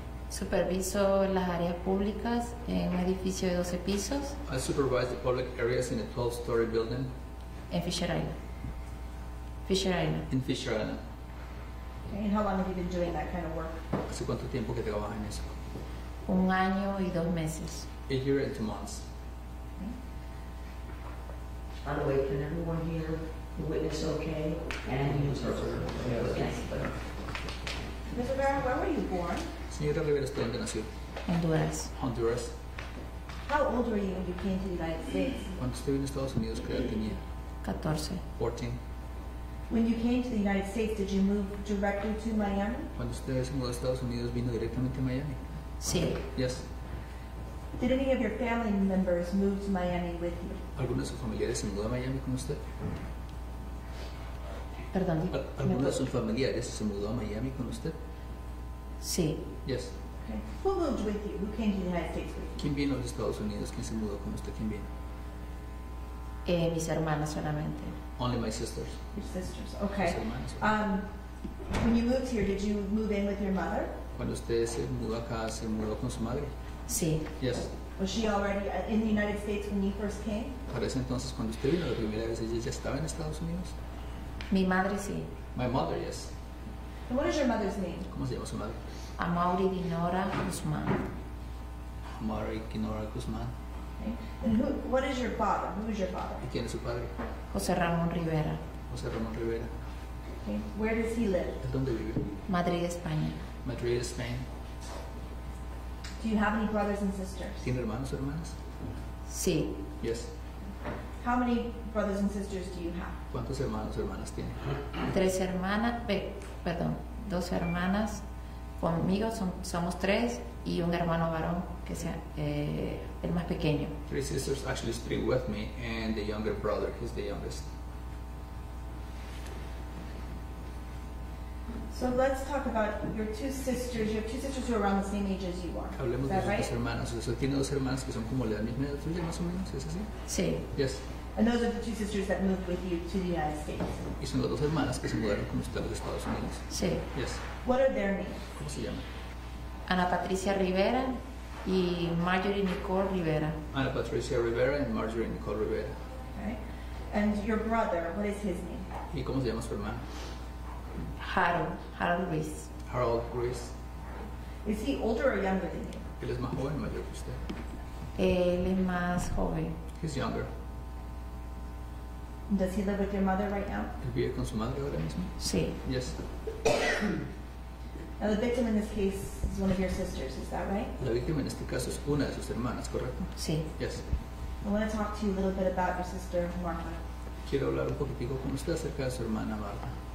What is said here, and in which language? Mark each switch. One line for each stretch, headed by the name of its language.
Spanish: Superviso las áreas públicas en un edificio de 12 pisos.
English: I supervise the public areas in a 12-story building.
Spanish: En Fisher Island. Fisher Island.
English: In Fisher Island. And how long have you been doing that kind of work?
Spanish: ¿Hace cuánto tiempo que trabaja en eso? Un año y dos meses.
English: A year and 2 months. By the way, can everyone hear the witness okay? And the interpreter. Okay. Ms. Rivera, where were you born?
Spanish: Señora Rivera, ¿usted dónde nació? Honduras.
English: Honduras. How old were you when you came to the United States?
Spanish: Cuando estuve en Estados Unidos, ¿qué edad tenía? 14.
English: 14. When you came to the United States, did you move directly to Miami?
Spanish: Cuando usted se mudó a Estados Unidos, ¿vino directamente a Miami? Sí.
English: Yes. Did any of your family members move to Miami with you?
Spanish: ¿Alguno de sus familiares se mudó a Miami con usted? Perdón. ¿Alguno de sus familiares se mudó a Miami con usted? Sí.
English: Yes. Okay. Who moved with you? Who came to the United States with you?
Spanish: ¿Quién vino de Estados Unidos? ¿Quién se mudó con usted? ¿Quién vino? Mis hermanas solamente.
English: Only my sisters. Your sisters, okay.
Spanish: Mis hermanas.
English: When you moved here, did you move in with your mother?
Spanish: Cuando usted se mudó acá, ¿se mudó con su madre? Sí.
English: Yes. Was she already in the United States when you first came?
Spanish: Para ese entonces, cuando usted vino la primera vez, ¿ella ya estaba en Estados Unidos? Mi madre, sí.
English: My mother, yes. And what is your mother's name?
Spanish: ¿Cómo se llama su madre? Amaury Dinora Guzmán.
English: Amaury Dinora Guzmán. Okay. And what is your father? Who is your father?
Spanish: ¿Y quién es su padre? José Ramón Rivera.
English: José Ramón Rivera. Okay. Where does he live?
Spanish: ¿Dónde vive? Madrid, España.
English: Madrid, Spain. Do you have any brothers and sisters?
Spanish: ¿Tiene hermanos o hermanas? Sí.
English: Yes. How many brothers and sisters do you have?
Spanish: ¿Cuántos hermanos o hermanas tiene? Tres hermanas, perdón, dos hermanas conmigo, somos tres, y un hermano varón, que sea el más pequeño.
English: Three sisters, actually three with me, and the younger brother, he's the youngest. So let's talk about your two sisters. You have two sisters who are around the same age as you are.
Spanish: Hablemos
English: is that
Spanish: de
English: right?
Spanish: Dos hermanas. O sea, tiene dos hermanas que son como la misma edad tuya, más o menos, ¿es así? Sí.
English: Yes. And those are the two sisters that moved with you to the United States.
Spanish: Y son las dos hermanas que se mudaron con usted a los Estados Unidos. Sí.
English: Yes. What are their names?
Spanish: ¿Cómo se llaman? Ana Patricia Rivera y Marjorie Nicole Rivera.
English: Ana Patricia Rivera and Marjorie Nicole Rivera. Okay. And your brother, what is his name?
Spanish: ¿Y cómo se llama su hermano? Harold Ruiz.
English: Is he older or younger than you?
Spanish: Él es más joven o mayor que usted. Él es más joven.
English: He's younger. Does he live with your mother right now?
Spanish: ¿Él vive con su madre ahora mismo? Sí.
English: Yes. Now the victim in this case is one of your sisters, is that right?
Spanish: La víctima en este caso es una de sus hermanas, ¿correcto? Sí.
English: Yes. I want to talk to you a little bit about your sister, Martha.
Spanish: Quiero hablar un poquitico con usted acerca de su hermana, Martha.